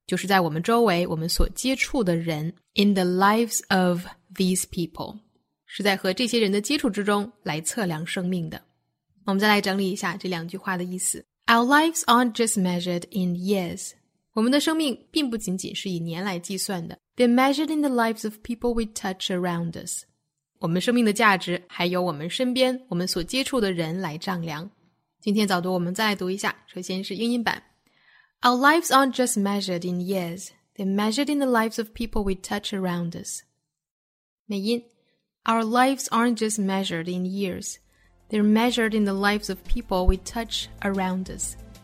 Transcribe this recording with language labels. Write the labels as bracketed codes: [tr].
[zh] 就是在我们周围我们所接触的人 [en] in the lives of these people, [zh] 是在和这些人的接触之中来测量生命的。我们再来整理一下这两句话的意思。 [en] Our lives aren't just measured in years. [zh] 我们的生命并不仅仅是以年来计算的。 [en] They're measured in the lives of people we touch around us. [zh] 我们生命的价值还由我们身边我们所接触的人来丈量。今天早读我们再来读一下，首先是英音版。 [en] Our lives aren't just measured in years. They're measured in the lives of people we touch around us. [zh] 美音 [en] Our lives aren't just measured in years. They're measured in the lives of people we touch around us.